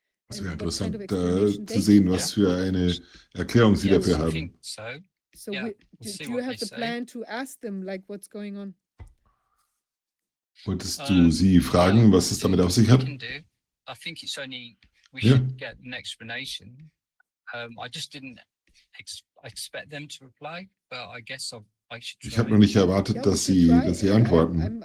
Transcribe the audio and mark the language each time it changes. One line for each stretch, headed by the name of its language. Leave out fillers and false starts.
German: Es wäre interessant zu sehen, was für eine Erklärung sie dafür haben.
English: So, do you have the plan to ask them like what's going on?
German: Wolltest du sie fragen, was es damit auf sich hat?
English: I think it's only we should get an explanation. I just didn't expect them to reply, but I guess I should.
German: Ich habe noch nicht erwartet, dass sie antworten.